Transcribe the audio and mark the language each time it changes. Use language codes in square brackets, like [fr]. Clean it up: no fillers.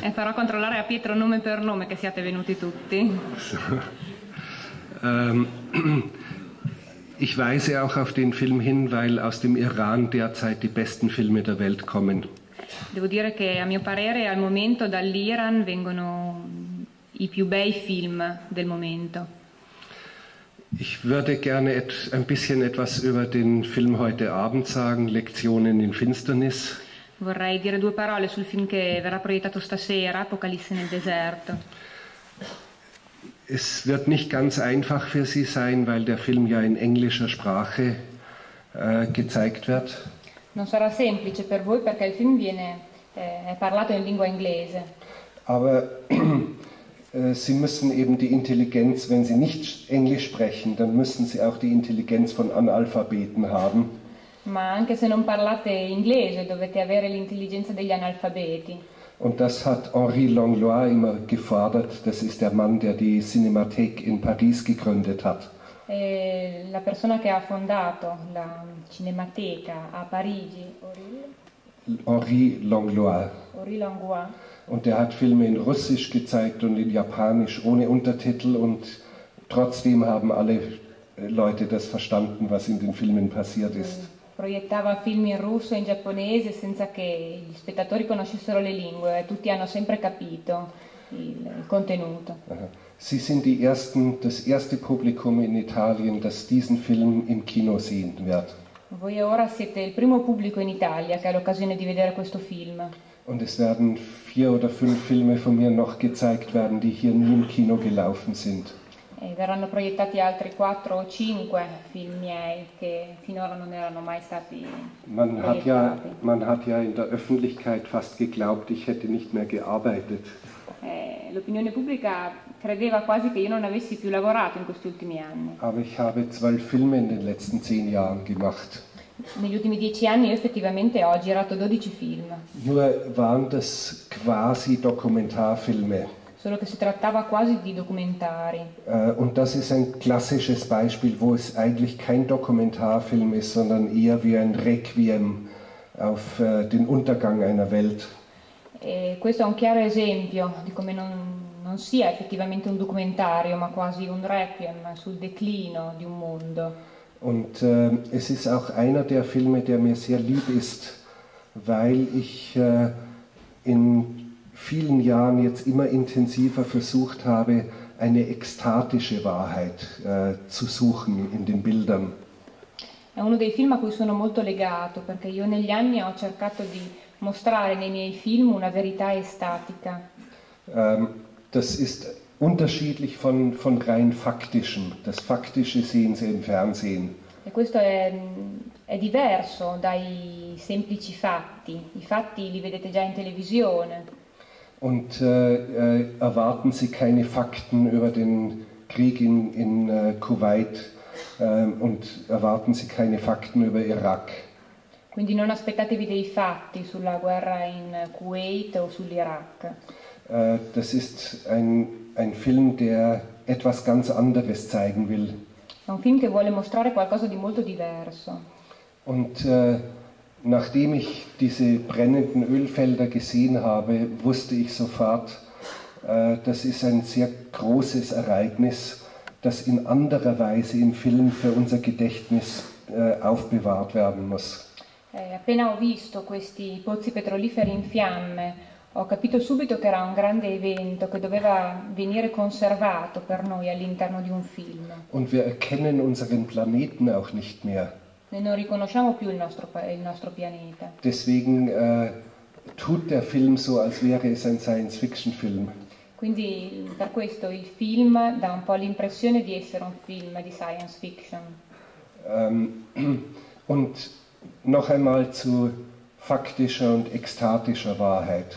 [it] E farò controllare a Pietro nome per nome che siate venuti tutti. [de] Ich weise auch auf den Film hin, weil aus dem Iran derzeit die besten Filme der Welt kommen. [it] Devo dire che a mio parere al momento dall'Iran vengono i più bei film del momento. [de] Ich würde gerne ein bisschen etwas über den Film heute Abend sagen, Lektionen in Finsternis. [it] Vorrei dire due parole sul film che verrà proiettato stasera, Apocalisse nel deserto. [de] Es wird nicht ganz einfach für Sie sein, weil der Film ja in englischer Sprache gezeigt wird. [it] Non sarà semplice per voi perché il film viene parlato in lingua inglese. [de] Aber Sie müssen eben die Intelligenz, wenn Sie nicht Englisch sprechen, dann müssen Sie auch die Intelligenz von Analphabeten haben. [it] Ma anche se non parlate inglese, dovete avere l'intelligenza degli analfabeti. [de] Und das hat Henri Langlois immer gefordert. Das ist der Mann, der die Cinémathèque in Paris gegründet hat. [it] La persona che ha fondato la Cinemateca a Parigi, Henri Langlois. Henri Langlois. [de] Und der hat Filme in Russisch gezeigt und in Japanisch ohne Untertitel und trotzdem haben alle Leute das verstanden, was in den Filmen passiert ist. [it] Proiettava film in russo e in giapponese senza che gli spettatori conoscessero le lingue. Tutti hanno sempre capito il contenuto. [de] Sie sind die ersten, das erste Publikum in Italien, das diesen Film im Kino sehen wird. [it] Voi ora siete il primo pubblico in Italia che ha l'occasione di vedere questo film. [de] Und es werden 4 oder 5 Filme von mir noch gezeigt werden, die hier nie im Kino gelaufen sind. [it] E verranno proiettati altri 4 o 5 film miei che finora non erano mai stati proiettati. [de] Man hat ja in der Öffentlichkeit fast geglaubt, ich hätte nicht mehr gearbeitet. [it] L'opinione pubblica credeva quasi che io non avessi più lavorato in questi ultimi anni. [de] Aber ich habe 12 Filme in den letzten 10 Jahren gemacht. [it] Negli ultimi 10 anni io effettivamente ho girato 12 film. [de] Nur waren das quasi Dokumentarfilme. [it] Solo che si trattava quasi di documentari. [de] Und das ist ein klassisches Beispiel, wo es eigentlich kein Dokumentarfilm ist, sondern eher wie ein Requiem auf den Untergang einer Welt. [it] E questo è un chiaro esempio di come non sia effettivamente un documentario, ma quasi un requiem sul declino di un mondo. [de] Und es ist auch einer der Filme, der mir sehr lieb ist, weil ich in vielen Jahren jetzt immer intensiver versucht habe, eine ekstatische Wahrheit zu suchen in den Bildern. [it] È uno dei film a cui sono molto legato, perché io negli anni ho cercato di mostrare nei miei film una verità estatica. [de] Das ist unterschiedlich von rein faktischem. Das Faktische sehen Sie im Fernsehen. [it] E questo è diverso dai semplici fatti. I fatti li vedete già in televisione. [de] Und erwarten Sie keine Fakten über den Krieg in Kuwait und erwarten Sie keine Fakten über Irak. [it] Quindi non aspettatevi dei fatti sulla guerra in Kuwait o sull'Iraq. [de] Das ist ein Film, der etwas ganz anderes zeigen will. [it] È un film che vuole mostrare qualcosa di molto diverso. [de] Und nachdem ich diese brennenden Ölfelder gesehen habe, wusste ich sofort, das ist ein sehr großes Ereignis, das in anderer Weise im Film für unser Gedächtnis aufbewahrt werden muss. [it] Appena ho visto questi pozzi petroliferi in fiamme, ho capito subito che era un grande evento che doveva venire conservato per noi all'interno di un film. [de] Und wir erkennen unseren Planeten auch nicht mehr. [it] Noi non riconosciamo più il nostro pianeta. [de] Deswegen tut der Film so, als wäre es ein Science-Fiction-Film. [it] Quindi per questo il film dà un po' l'impressione di essere un film di science fiction. [de] Und noch einmal zu faktischer und ekstatischer Wahrheit.